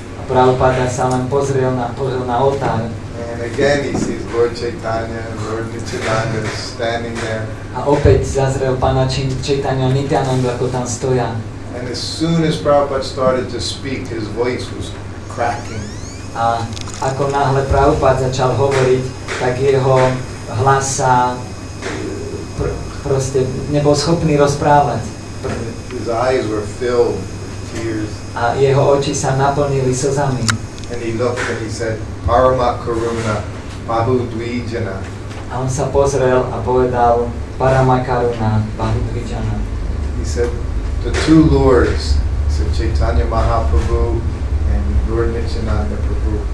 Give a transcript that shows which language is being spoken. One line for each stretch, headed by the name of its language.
Slovak: A Prabhupada sa len pozrel na oltár.
English: And again he sees Lord Chaitanya and Lord Nityananda standing there.
Slovak: A opäť zazrel pána Chaitanya a Nityananda, ako tam stoja.
English: And as soon as Prabhupada started to speak, his voice was cracking.
Slovak: A ako náhle Prabhupada začal hovoriť, tak jeho hlas sa proste nebol schopný rozprávať.
English: His eyes were filled with tears.
Slovak: A jeho oči sa naplnili slzami.
English: And he looked and he said, Parama Karuna, Bahu Dvijana.
Slovak: A on sa pozrel a povedal, Parama Karuna, Bahu Dvijana.
English: He said, the two lords, said Chaitanya Mahaprabhu, Lord Nityananda Prabhu.